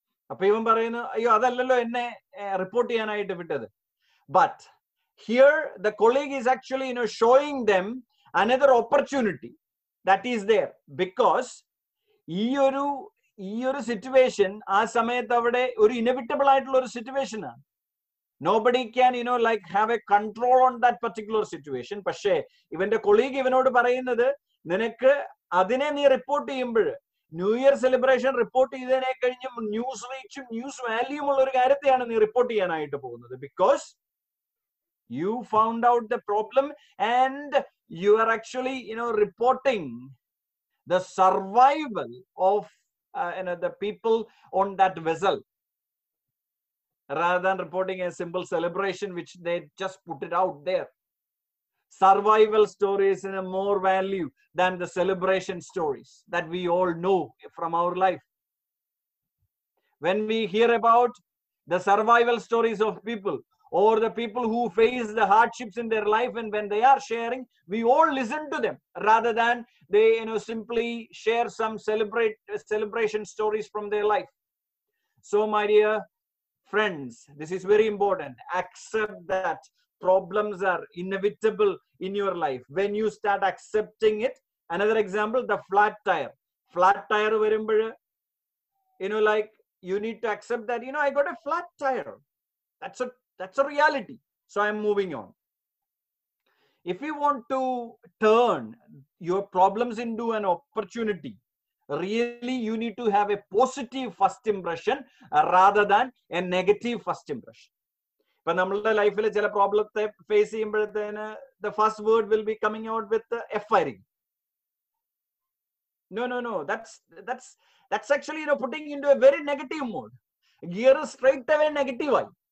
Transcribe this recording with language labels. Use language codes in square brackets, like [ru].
[ml] അപ്പൊ ഇവൻ പറയുന്നു, അയ്യോ അതല്ലല്ലോ എന്നെ റിപ്പോർട്ട് ചെയ്യാനായിട്ട് വിട്ടത്. [en] but here the colleague is actually you know showing them another opportunity that is there, because [ml] ഈ ഒരു സിറ്റുവേഷൻ ആ സമയത്ത് അവിടെ ഒരു ഇനെവിറ്റബിൾ ആയിട്ടുള്ള ഒരു സിറ്റുവേഷനാണ്. [en] Nobody can, you know, like have a control on that particular situation. [ml] പക്ഷെ ഇവന്റെ കൊളീഗ് ഇവനോട് പറയുന്നത്, നിനക്ക് അതിനെ നീ റിപ്പോർട്ട് ചെയ്യുമ്പോൾ, ന്യൂ ഇയർ സെലിബ്രേഷൻ റിപ്പോർട്ട് ചെയ്തതിനെ കഴിഞ്ഞ് ന്യൂസ് റീച്ചും ന്യൂസ് വാല്യൂ ഉള്ള ഒരു കാര്യത്തെയാണ് നീ റിപ്പോർട്ട് ചെയ്യാനായിട്ട് പോകുന്നത്. [en] Because you found out the problem and you are actually you know reporting the survival of the people on that vessel rather than reporting a simple celebration which they just put it out there. Survival stories in a more value than the celebration stories that we all know from our life. When we hear about the survival stories of people or the people who face the hardships in their life, and when they are sharing, we all listen to them rather than they, you know, simply share some celebration stories from their life. So my dear friends, this is very important. Accept that problems are inevitable in your life. When you start accepting it, another example, the flat tire varumbol, you know, like you need to accept that, you know, I got a flat tire, that's a reality, so I'm moving on. If you want to turn your problems into an opportunity, really you need to have a positive first impression rather than a negative first impression. [ml] ഇപ്പൊ നമ്മളുടെ ലൈഫിൽ ചില പ്രോബ്ലത്തെ face ചെയ്യുമ്പോഴത്തേന് [en] The first word will be coming out with F ആയിരിക്കും. No no no, that's actually you know putting in to a very negative mode. [ml] Gear straight away നെഗറ്റീവായി.